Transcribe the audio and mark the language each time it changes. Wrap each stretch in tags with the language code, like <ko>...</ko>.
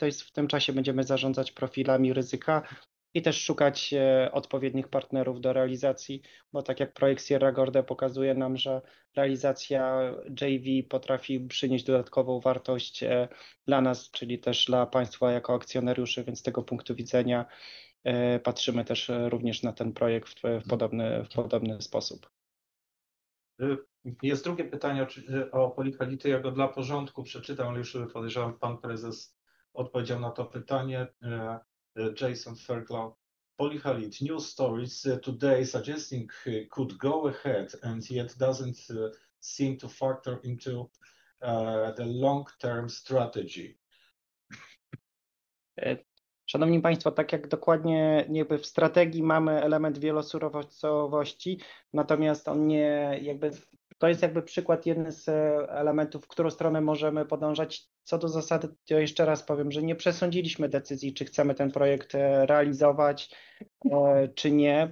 <pl>W tym czasie będziemy zarządzać profilami ryzyka i też szukać odpowiednich partnerów do realizacji, bo tak jak projekt Sierra Gorda pokazuje nam, że realizacja JV potrafi przynieść dodatkową wartość dla nas, czyli też dla państwa jako akcjonariuszy, więc z tego punktu widzenia patrzymy też również na ten projekt w podobny sposób. Jest drugie pytanie o polihality. Ja go dla porządku przeczytam, ale już podejrzewam, pan prezes odpowiedział na to pytanie. Jason Fairclough.</pl> <en>Polihalite, new stories today suggesting could go ahead and yet doesn't seem to factor into the long-term strategy.</en> <pl>Szanowni Państwo, tak jak dokładnie jakby w strategii mamy element wielosurowcowości, natomiast on nie jakby To jest jakby przykład, jeden z elementów, w którą stronę możemy podążać. Co do zasady, to jeszcze raz powiem, że nie przesądziliśmy decyzji, czy chcemy ten projekt realizować, czy nie.</pl>